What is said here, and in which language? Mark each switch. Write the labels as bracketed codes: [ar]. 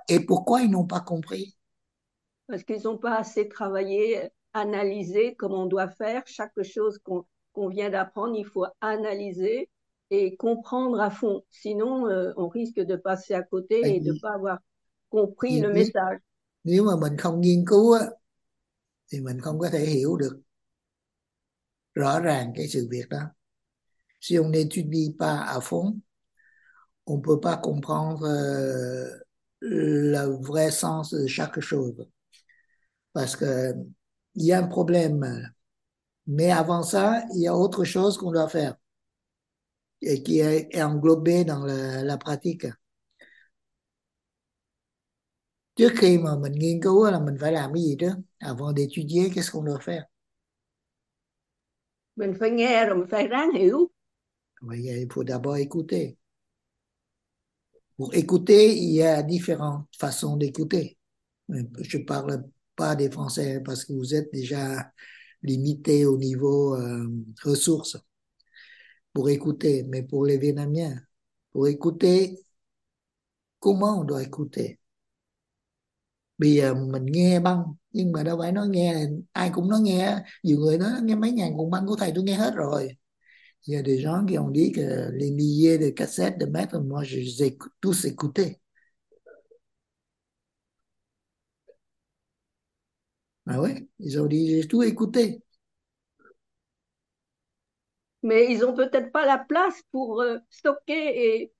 [fr] et pourquoi ils n'ont pas compris? parce qu'ils n'ont pas assez travaillé analyser comment on doit faire chaque chose qu'on vient d'apprendre. Il faut analyser et comprendre à fond. Sinon, on risque de passer à côté et de ne pas avoir compris le [vi] Nếu [fr] message. [vi] mà mình không nghiên cứu á thì mình không có thể hiểu được rõ ràng cái sự việc đó. [fr] Si on n'étudie pas à fond, on peut pas comprendre le vrai sens de chaque chose. Parce que il y a un problème. Mais avant ça, il y a autre chose qu'on doit faire et qui est englobée dans la pratique. [vi] Trước khi mà mình nghiên cứu là mình phải làm cái gì trước? [fr] Avant d'étudier, qu'est-ce qu'on doit faire? [vi] Mình phải nghe rồi mình phải ráng hiểu. [fr] Vậy il faut d'abord écouter. Pour écouter, il y a différentes façons d'écouter. Je ne parle pas des Français parce que vous êtes déjà limité au niveau ressources pour écouter. Mais pour les Vietnamiens, pour écouter, comment on doit écouter? [vi] Bây giờ mình nghe băng, nhưng mà đâu phải nói nghe ai cũng nói nghe. Nhiều người nói nghe mấy ngàn cuộn băng của thầy tôi nghe hết rồi. [fr] Il y a des gens qui ont dit que les milliers de cassettes de maître, moi, je les ai tous écoutés. Ah oui, ils ont dit, j'ai tout écouté. Mais ils ont peut-être pas la place pour stocker et